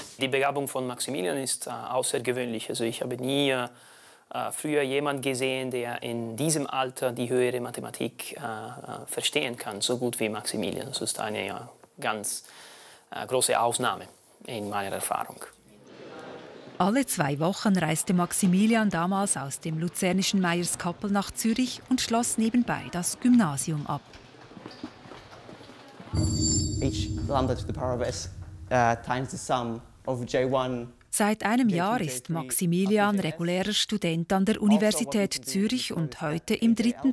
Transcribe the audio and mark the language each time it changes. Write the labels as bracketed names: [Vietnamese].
[German] Die Begabung von Maximilian ist außergewöhnlich. Also ich habe nie früher jemand gesehen, der in diesem Alter die höhere Mathematik verstehen kann, so gut wie Maximilian. Das ist eine ganz große Ausnahme in meiner Erfahrung. Alle 2 Wochen reiste Maximilian damals aus dem luzernischen Meierskappel nach Zürich und schloss nebenbei das Gymnasium ab. [English] Each lambda to the power of s times the sum of j1. [German] Seit einem Jahr ist Maximilian regulärer Student an der Universität Zürich und heute im 3.